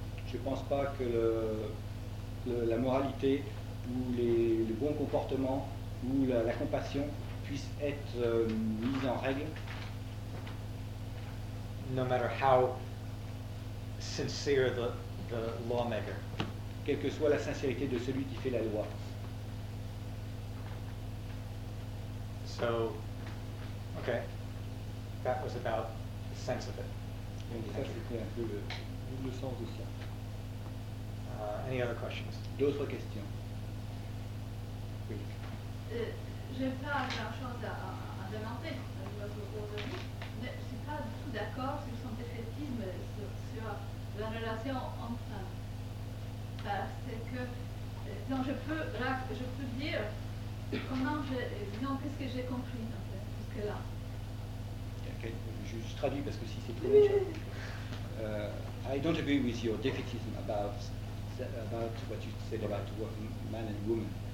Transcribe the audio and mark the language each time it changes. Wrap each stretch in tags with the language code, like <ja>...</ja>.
<fr>Je ne pense pas que la moralité ou les bons comportements ou la compassion puissent être mises en règle.</fr> <en>No matter how sincere the lawmaker.</en> <fr>Quelle que soit la sincérité de celui qui fait la loi.</fr> <en>So, okay, that was about the sense of it.</en> <fr>Donc ça, c'était un peu le sens de ça.</fr> <en>Any other questions?</en> <fr>D'autres questions? Oui. Je n'ai pas la chance à demander. Mais je ne suis pas du tout d'accord sur son défaitisme sur la relation entre. Parce que donc je peux dire comment qu'est-ce que j'ai compris en fait jusque là.</fr> <en>Okay.</en> <fr>Je traduis parce que si c'est trop long.</fr> <en>I don't agree with your defeatism about what you said about man and woman.</en>